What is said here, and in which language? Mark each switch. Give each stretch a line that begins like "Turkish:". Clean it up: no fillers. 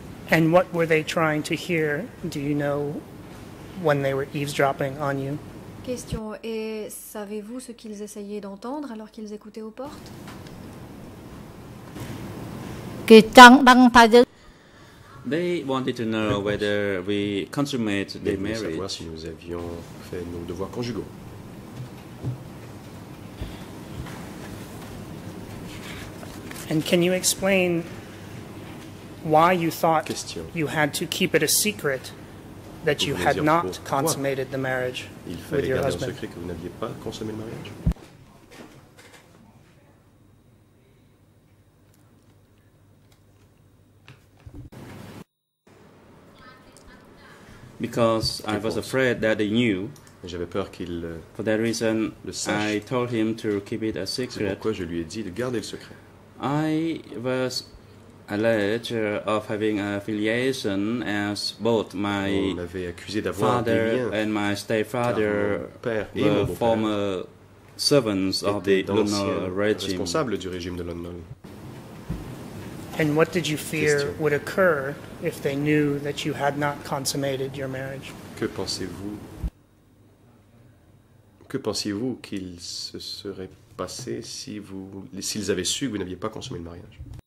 English: And what were they trying to hear, do you know, when they were eavesdropping on you? Question.
French: Et savez-vous ce qu'ils essayaient d'entendre alors qu'ils écoutaient aux portes?
English: They wanted to know whether we consummate the marriage.
French: Savoir si nous avions fait nos devoirs conjugaux.
English: And can you explain why you thought you had to keep it a secret that you had not consummated the marriage with your husband?
French: Secret que vous n'aviez pas consommé le mariage.
English: Because I was afraid that they knew.
French: J'avais peur qu'il
English: for that reason, I told him to keep it a secret.
French: C'est pourquoi je lui ai dit de garder le secret.
English: I was alleged of having an affiliation as both my father and my stepfather were former servants of the Lunol regime.
French: Responsable du régime de Lunol.
English: And what did you fear would occur if they knew that you had not consummated your marriage?
French: Que pensez-vous? Que pensiez-vous qu'il se serait passé si vous, s'ils avaient su que vous n'aviez pas consommé le mariage?